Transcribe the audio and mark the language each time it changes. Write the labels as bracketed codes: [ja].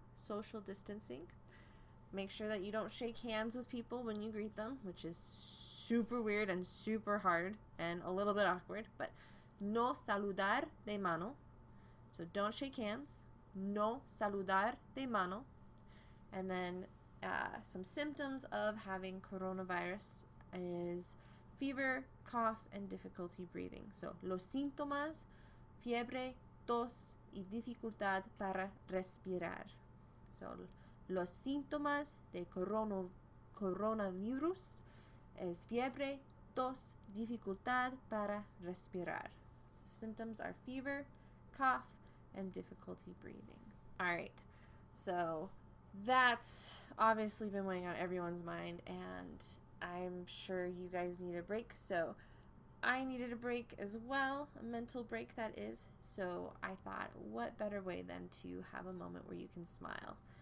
[en] Social distancing. Make sure that you don't shake hands with people when you greet them, which is super weird and super hard and a little bit awkward. But [es] no saludar de mano. [en] So don't shake hands. [es] No saludar de mano. [en] And then some symptoms of having coronavirus is fever, cough, and difficulty breathing. [es] So los síntomas, fiebre, tos, y dificultad para respirar. So los síntomas de coronavirus es fiebre, tos, dificultad para respirar. [en] So symptoms are fever, cough, and difficulty breathing. Alright, so that's obviously been weighing on everyone's mind, and I'm sure you guys need a break, so I needed a break as well, a mental break that is, so I thought, what better way than to have a moment where you can smile?